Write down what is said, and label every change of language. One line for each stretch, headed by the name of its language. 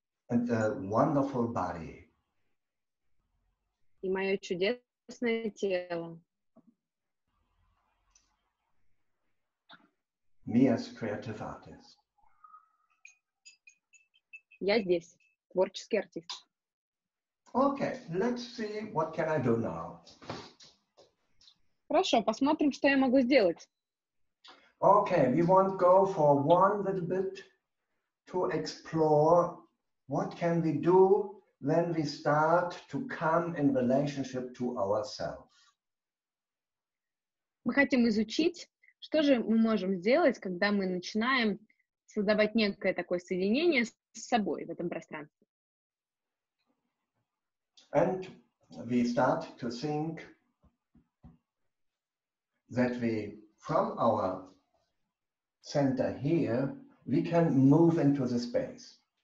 English: And a wonderful body.
Russian: И мое чудесное тело.
English: Me as creative artist.
Russian: Я здесь, творческий артист.
English: Okay, let's see what can I do now.
Russian: Хорошо, посмотрим, что я могу сделать.
English: Okay, we won't go for one little bit to explore what can we do when we start to come in relationship to ourselves.
Russian: Мы хотим изучить, что же мы можем сделать, когда мы начинаем создавать некое такое соединение с собой в этом пространстве.
English: And we start to think that we, from our center here, we can move into the space.